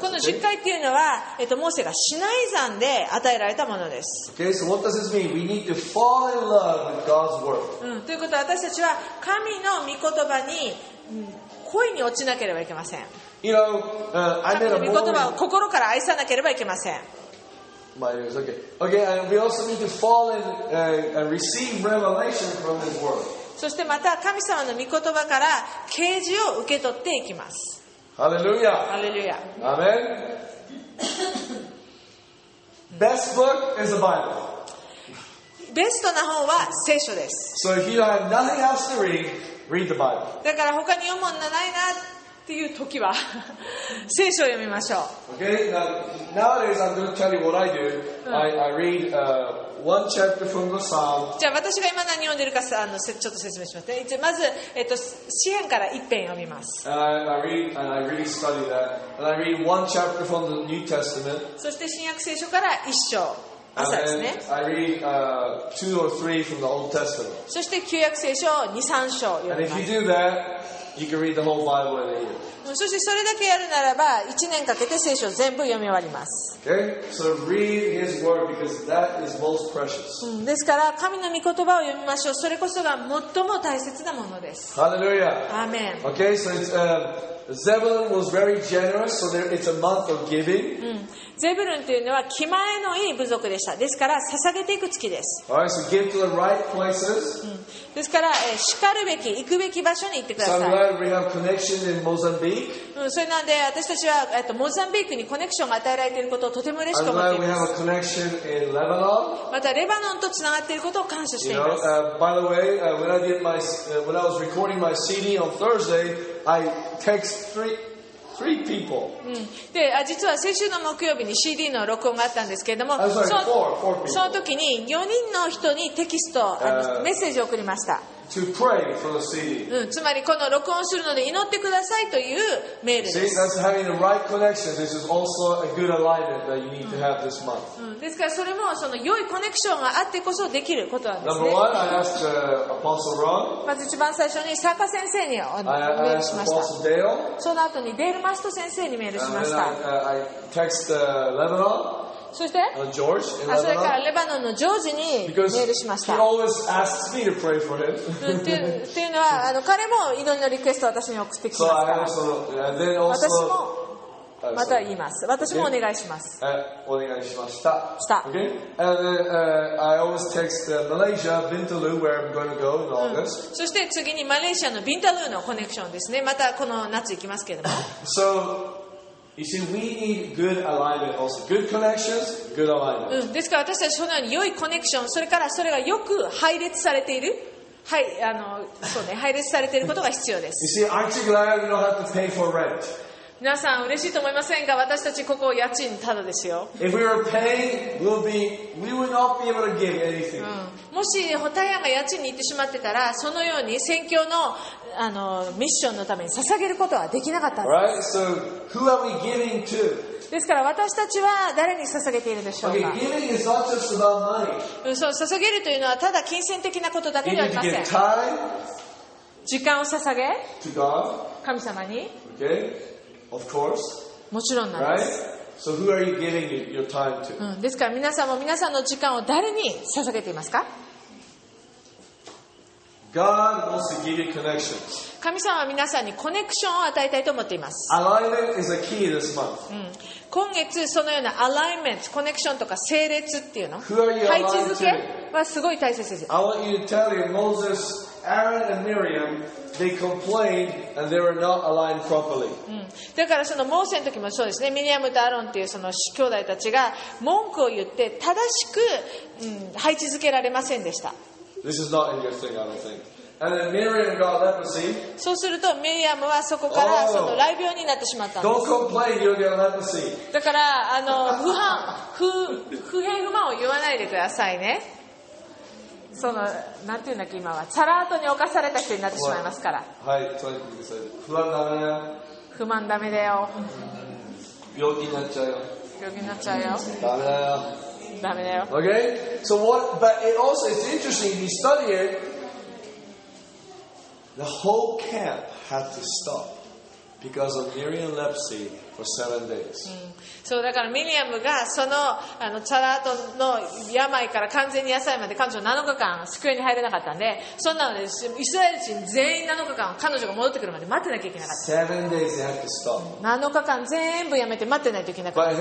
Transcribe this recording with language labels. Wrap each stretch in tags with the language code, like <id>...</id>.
<ja>この十戒というのは、モーセがシナイ山で与えられたものです。</ja> <en>Okay, so what does this mean? We need to fall in love with God's word.</en> <ja>ということは私たちは神の御言葉に恋に落ちなければいけません。</ja> <en>You know, I met a Mormon.</en> <ja>神の御言葉を心から愛さなければいけません。</ja> <en>My ears, okay. Okay, and we also need to fall in and receive revelation from His word.</en> <ja>そしてまた神様の御言葉から啓示を受け取っていきます。ハレルヤ、ハレルヤ、</ja> <en>アメン。ベスト book is the Bible.</en> <ja>ベストな本は聖書です。</ja> <en>So if you have nothing else to read, read the Bible.</en> <ja>だから他に読むものないなていう時は聖書を読みましょう。</ja> <en>Okay, now, nowadays I'm going to tell you what I do、うん、I read、one chapter from the Psalm.</en> <ja>じゃあ私が今何読んでるかあのちょっと説明しますね。まず、詩編から一編読みます。</ja> <en>I really study that. And I read one chapter from the New Testament.</en> <ja>そして新約聖書から一章朝ですね。</ja> <en>I read, two or three from the Old Testament.</en> <ja>そして旧約聖書を 2,3 章読みます。</ja> <en>And if you do that, you can read the whole Bible in a year.</en> <ja>そしてそれだけやるならば1年かけて聖書を全部読み終わります。</ja> <en>Okay, so read His word because that is most precious.</en> <ja>ですから神の御言葉を読みましょう。それこそが最も大切なものです。</ja> <en>Hallelujah. Amen. Okay, so it's, Zebulun was very generous, so there, it's a month of giving.</en> <ja>ゼブルンというのは気前のいい部族でした。ですから捧げていく月です。</ja> <en>All right, so give to the right places.</en> <ja>ですから、しかるべき、行くべき場所に行ってください。</ja> <en>So I'm glad we have connection in Mozambique.</en> <ja>それなんで私たちは、モザンビークにコネクションが与えられていることをとても嬉しく思っています。</ja> <en>I'm glad we have a connection in Lebanon.</en> <ja>またレバノンとつながっていることを感謝しています。</ja> <en>You know, by the way, when I did my, when I was recording my CD on Thursday, I texted three people.</en> <ja>で、実は先週の木曜日に CD の録音があったんですけれども、その時に4人の人にテキスト、メッセージを送りました。</ja> <en>To pray for the CD.</en> <ja>つまりこの録音するので祈ってくださいというメールです。</ja> <en>See, that's having the right connection. This is also a good alignment that you need to have this month.</en> <ja>ですからそれもその良いコネクションがあってこそできることなんですね。</ja> <en>Number one, I asked Apostle Ron.</en> <ja>まず一番最初に坂先生にお願いしました。</ja> <en>I asked Apostle Dale.</en> <ja>その後にデールマスト先生にメールしました。</ja> <en>I text Lebanon.</en> <ja>そして、 George, それからレバノンのジョージにメールしました。</ja> <en>Because he always asks me to pray for him.</en> <ja>というのは、あの彼も祈りのリクエストを私に送ってきますから。</ja> <en>So、also,</en> <ja>私もまた言います。私もお願いします。お願いしました。した。</ja> <en>Okay. And then, I always text Malaysia, Bintulu, where I'm going to go in August.</en> <ja>そして次にマレーシアのビンタルーのコネクションですね。またこの夏行きますけれども。</ja> <en>So,You see, we need good alignment also. Good connections, good alignment.</en> <ja>ですから私たちそのように良いコネクション、それからそれがよく配列されている、はい、あの、そうね、配列されていることが必要です。</ja> <en>You see, aren't you glad you don't have to pay for rent?</en> <ja>皆さん嬉しいと思いませんか？私たちここ家賃ただですよ。</ja> <en>If we were paying, we would not be able to give anything.</en> <ja>もしホタヤが家賃に行ってしまってたら、そのように宣教のあのミッションのために捧げることはできなかったんです。</ja> <en>Right? So, who are we giving to?</en> <ja>ですから私たちは誰に捧げているでしょうか。</ja> <en>Okay, giving is not just about money.</en> <ja>そう、捧げるというのはただ金銭的なことだけではありません。</ja> <en>You need to give time.</en> <ja>時間を捧げ</ja> <en>to God.</en> <ja>神様に。</ja> <en>Okay. Of course.</en> <ja>もちろんなんです。</ja> <en>Right? So who are you giving your time to?</en> <ja>ですから皆さんも皆さんの時間を誰に捧げていますか。</ja> <en>God wants to give you connections.</en> <ja>神様は皆さんにコネクションを与えたいと思っています。</ja> <en>Alignment is a key this month.</en> <ja>今月そのようなアライメント、コネクションとか整列っていうの、</ja> <en>Who are you</en> <ja>配置づけはすごい大切です。</ja> <en>I want you to tell you, Moses, Aaron and Miriam, they complained and they were not aligned properly.</en> <ja>だからそのモーセの時もそうですね。ミリアムとアロンっていうその兄弟たちが文句を言って正しく、配置づけられませんでした。</ja> <en>This is not in your thing, I don't think. And then Miriam got leprosy.</en> <ja>そうするとミリアムはそこからその雷病になってしまったんです。</ja> <en>Don't complain, you'll get leprosy.</en> <ja>だからあの不平不満を言わないでくださいね。そのなんていうんだっけ今はチャラートに侵された人になってしまいますから。はい、そういうことです。不満ダメだよ。不満ダメだよ。病気になっちゃうよ。病気になっちゃうよ。ダメだよ。ダメだよ。</ja> <en>Okay? So what, but it also, it's interesting, if you study it, the whole camp had to stop because of Miriam leprosy for seven days.</en> <ja>そうだからミリアムがその、あの、チャラートの病から完全に癒されまで彼女7日間スクエアに入れなかったんで、そんなので、イスラエル人全員7日間彼女が戻ってくるまで待ってなきゃいけなかった。</ja> <en>Seven days they had to stop. 7</en> <ja>日間全部やめて待ってないといけなかった。</ja>